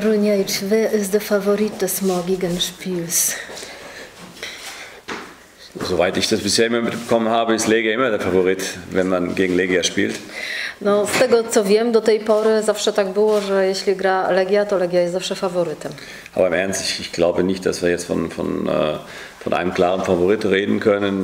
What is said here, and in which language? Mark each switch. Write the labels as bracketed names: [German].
[German] Runiajcz, wer ist der Favorit des morgigen Spiels? Soweit ich das bisher immer mitbekommen habe, ist Legia immer der Favorit, wenn man gegen Legia spielt. [Polish] No, z tego co wiem, do tej pory zawsze tak było, że jeśli gra Legia, to Legia jest zawsze faworytem. [German] Aber im Ernst, ich glaube nicht, dass wir jetzt von einem klaren Favorit reden können.